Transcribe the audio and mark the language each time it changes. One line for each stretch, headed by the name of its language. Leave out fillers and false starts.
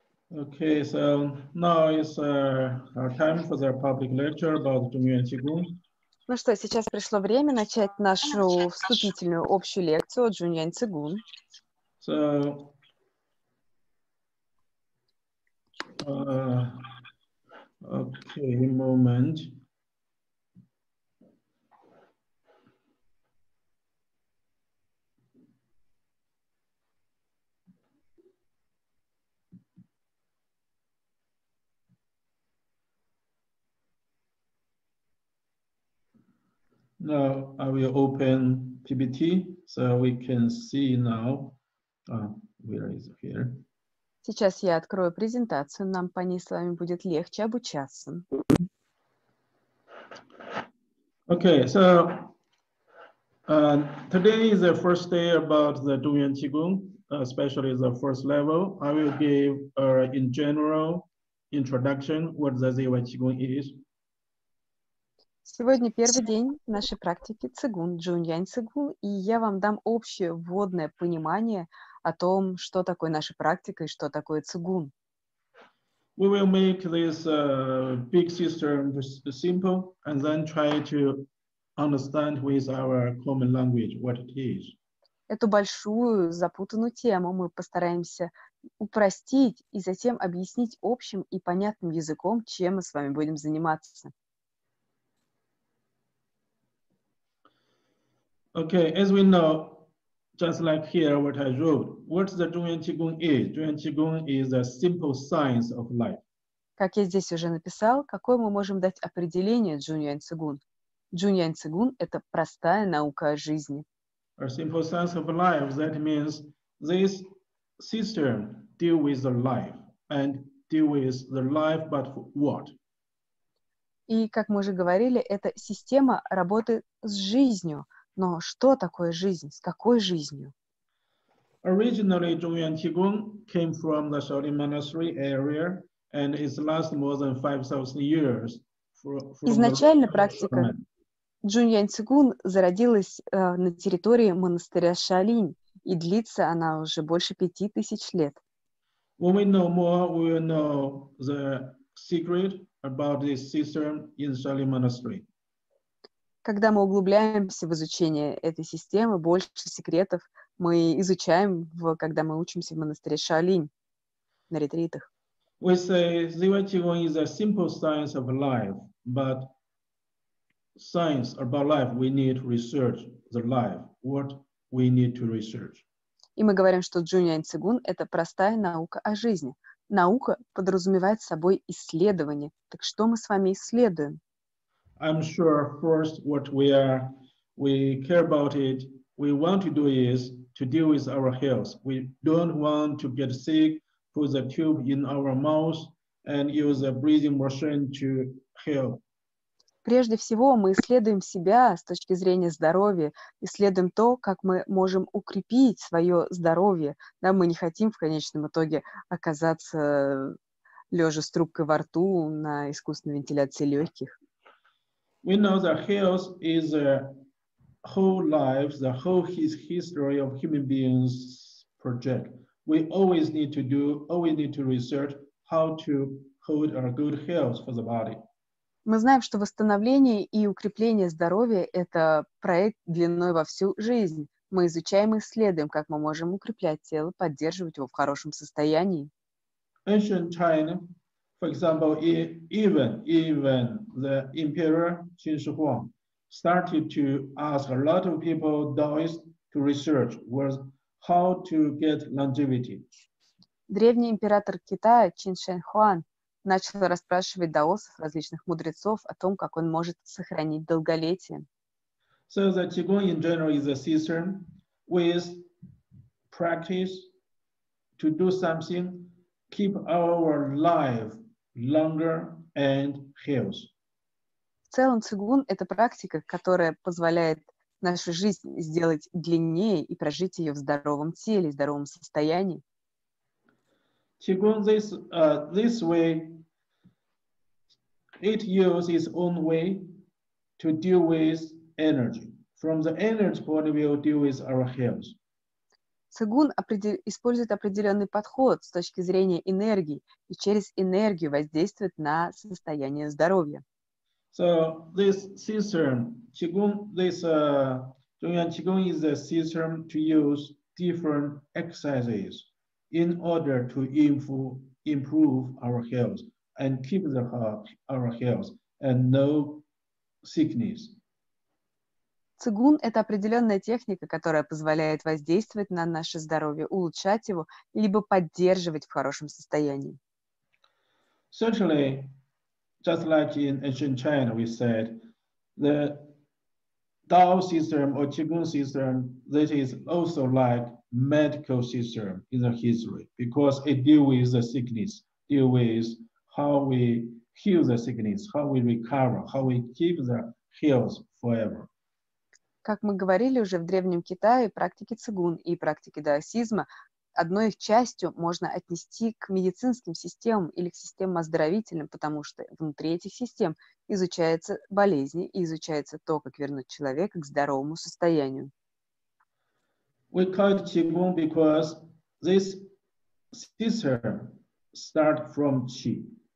English: Okay, so now it's our time for the public lecture about community goals.
Russian: Ну что, сейчас пришло время начать нашу вступительную общую лекцию о Джун Юань Цигун.
English: So, okay, moment. Now I will open PPT so we can see now. Where is it here?
Russian: Сейчас я открою презентацию, нам по ней с вами будет легче обучаться.
English: Okay, so today is the first day about the Dunyuan Qigong, especially the first level. I will give in general introduction what the Dunyuan Qigong is.
Russian: Сегодня первый день нашей практики цигун, джуньянь цигун, и я вам дам общее вводное понимание о том, что такое наша практика и что такое цигун.
English: We will make this big system simple and then try to understand with our common language what it is.
Russian: Эту большую запутанную тему мы постараемся упростить и затем объяснить общим и понятным языком, чем мы с вами будем заниматься.
English: Okay, as we know, just like here what I wrote, what the Dunyuan Qigong is. Dunyuan Qigong is a simple science of life.
Russian: Как я здесь уже написал, какое мы можем дать определение Dunyuan Qigong? Dunyuan Qigong – это простая наука о жизни.
English: A simple science of life, that means this system deal with the life, and deal with the life, but for what?
Russian: И, как мы уже говорили, это система работы с жизнью. Но что такое жизнь? С какой жизнью?
English: Originally, Dunyuan Qigong came from the Shaolin Monastery area, and it's last more than 5,000 years.
Russian: Изначально практика Dunyuan Qigong зародилась на территории монастыря Шаолин, и длится она уже больше 5000 лет.
English: When we know more, we will know the secret about this system in Shaolin Monastery.
Russian: Когда мы углубляемся в изучение этой системы, больше секретов мы изучаем, когда мы учимся в монастыре Шаолин на ретритах.
English: We say Dunyuan Qigong is a simple science of life, but science about life, we need to research the life, what we need to research.
Russian: И мы говорим, что Dunyuan Qigong – это простая наука о жизни. Наука подразумевает собой исследование. Так что мы с вами исследуем?
English: I'm sure first what we care about it, we want to do is to deal with our health. We don't want to get sick, put the tube in our mouth and use a breathing machine to heal.
Russian: Прежде всего, мы исследуем себя с точки зрения здоровья, исследуем то, как мы можем укрепить свое здоровье. Да, мы не хотим в конечном итоге оказаться лежа с трубкой во рту на искусственной вентиляции легких.
English: We know that health is the whole life, the whole history of human beings project. We always need to do, always need to research how to hold our good health for the body.
Russian: Мы знаем, что восстановление и укрепление здоровья – это проект длиной во всю жизнь. Мы изучаем и исследуем, как мы можем укреплять тело, поддерживать его в хорошем состоянии.
English: Ancient China. For example, even the emperor Qin Shi Huang started to ask a lot of people, Taoists, to research was how to get longevity.
Russian: Древний император Китая Чин Шэнь Хуан начал расспрашивать даосов, различных мудрецов, о том, как он может сохранить долголетие.
English: So the Qigong in general is a system with practice to do something, keep our life longer and heals.
Russian: В целом, цигун – это практика, которая позволяет нашу жизнь сделать длиннее и прожить ее в здоровом теле, в здоровом состоянии.
English: Цигун this way, it uses its own way to deal with energy. From the energy point of view, deal with our heals.
Russian: Цигун использует определенный подход с точки зрения энергии и через энергию воздействует на состояние здоровья.
English: So this system, Qigong, this Zhongyuan Qigong is a system to use different exercises in order to improve our health and keep the heart, our health and no sickness.
Russian: Цигун – это определенная техника, которая позволяет воздействовать на наше здоровье, улучшать его, либо поддерживать в хорошем состоянии.
English: Certainly, just like in ancient China, we said, the Dao system or Qigong system, this is also like medical system in the history, because it deals with the sickness, deals with how we heal the sickness, how we recover, how we keep the health forever.
Russian: Как мы говорили уже в Древнем Китае, практики цигун и практики даосизма одной их частью можно отнести к медицинским системам или к системам оздоровительным, потому что внутри этих систем изучаются болезни и изучается то, как вернуть человека к здоровому состоянию.
English: We call it qigong because this system starts from qi.